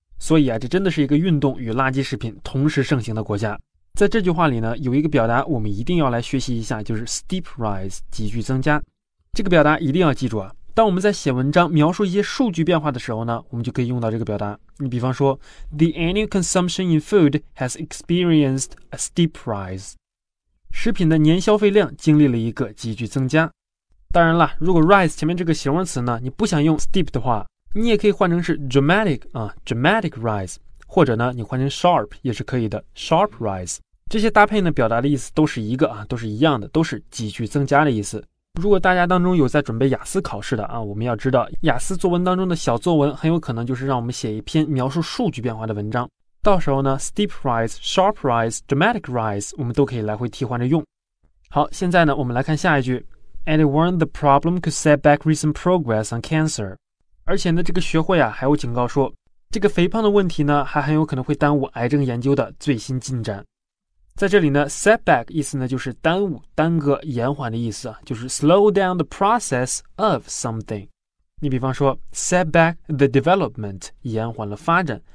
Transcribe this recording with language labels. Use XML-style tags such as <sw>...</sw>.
<zh>所以啊，这真的是一个运动与垃圾食品同时盛行的国家。在这句话里呢，有一个表达我们一定要来学习一下，就是 steep rise 急剧增加。这个表达一定要记住啊！当我们在写文章描述一些数据变化的时候呢，我们就可以用到这个表达。你比方说</zh> <en>，The annual consumption in food has experienced a steep rise.</en> <zh>食品的年消费量经历了一个急剧增加。当然了，如果 rise 前面这个形容词呢，你不想用 steep 的话，你也可以换成是 dramatic 啊 ，dramatic rise。或者呢你换成 sharp 也是可以的 sharp rise。这些搭配呢表达的意思都是一个啊，都是一样的，都是急剧增加的意思。如果大家当中有在准备雅思考试的啊，我们要知道雅思作文当中的小作文很有可能就是让我们写一篇描述数据变化的文章。到时候呢 steep rise, sharp rise, dramatic rise 我们都可以来回替换着用。好，现在呢我们来看下一句。</zh> <en>And it warned the problem could set back recent progress on cancer.</en> <zh>而且呢这个学会啊还有警告说这个肥胖的问题呢还很有可能会耽误癌症研究的最新进展。在这里呢 setback 意思呢就是耽误耽搁延缓的意思，就是</zh> <en>slow down the process of something。</en> <zh>你比方说</zh> <en>setback the development,</en> <zh>延缓了发展。</zh>